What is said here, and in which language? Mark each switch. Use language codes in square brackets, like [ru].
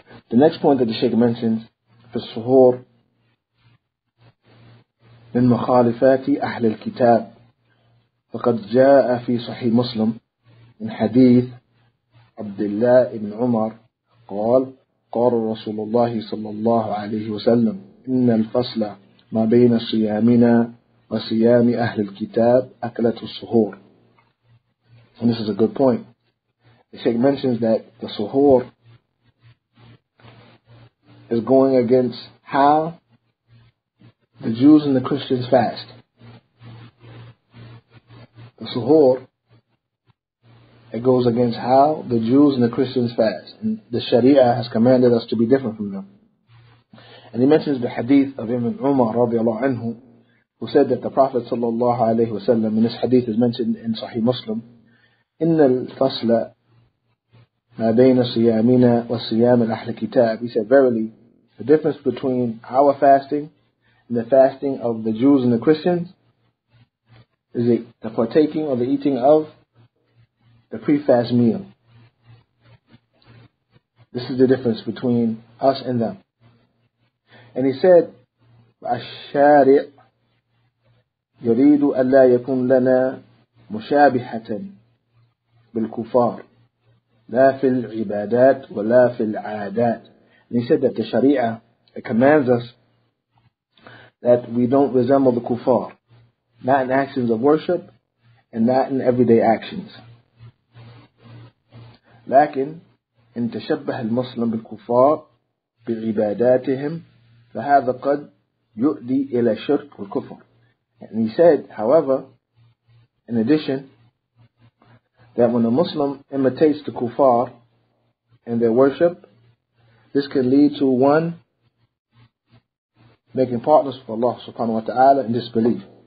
[en] The next point that the Shaykh mentions, the suhoor, [ar] من مخالفات أهل الكتاب فقد جاء في صحيح مسلم من حديث عبد الله بن عمر قال قال رسول الله صلى الله عليه وسلم إن الفصل ما بين صيامنا وصيام أهل الكتاب أكلة السهور. [en] And this is a good point. The Sheikh mentions that the suhoor is going against how the Jews and the Christians fast. The suhoor, it goes against how the Jews and the Christians fast. And the Sharia has commanded us to be different from them. And he mentions the hadith of Ibn Umar radiallahu anhu, who said that the Prophet sallallahu alayhi wasallam, and this hadith is mentioned in Sahih Muslim, [ar] إِنَّ الْفَصْلَ مَا بَيْنَ صِيَامِنَا وَصِيَامِ الْأَحْلِ كِتَابِ. [en] He said, verily, the difference between our fasting and the fasting of the Jews and the Christians is the partaking or the eating of the pre-fast meal. This is the difference between us and them. And he said, [ar] "الشارِع يريد أن لا يكون لنا مشابهة بالكفار لا في العبادات ولا في العادات." [en] And he said that the Sharia, it commands us that we don't resemble the kuffar, not in actions of worship and not in everyday actions. [ar] لكن إن تشبه المسلم بالكفار بعباداتهم فهذا قد يؤدي إلى شرك والكفر. [en] And he said, however, in addition, that when a Muslim imitates the kuffar in their worship, this can lead to one making partners for Allah subhanahu wa ta'ala in disbelief.